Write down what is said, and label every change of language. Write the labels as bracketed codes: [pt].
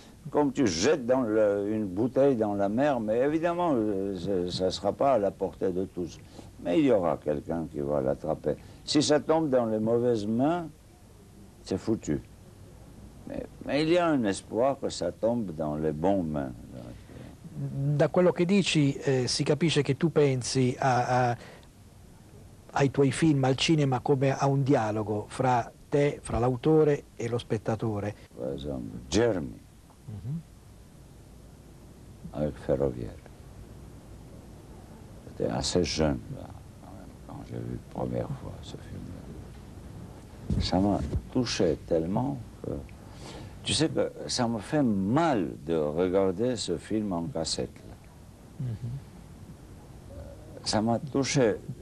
[fr] Comme tu jettes une bouteille dans la mer, mais évidemment, ça ne sera pas à la portée de tous. Mais il y aura quelqu'un qui va l'attraper. Si ça tombe dans les mauvaises mains, c'est foutu. Mais il y a un espoir que ça tombe dans les bonnes mains. [it] Da quello che dici, si capisce che tu pensi ai tuoi film, al cinema, come a un dialogo fra te, fra l'autore e lo spettatore. Per esempio, Germi, avec Ferroviere. [fr] C'était assez jeune, là. J'ai vu la première fois ce film. Ça m'a touché tellement que... Tu sais que ça me fait mal de regarder ce film en cassette. Ça m'a touché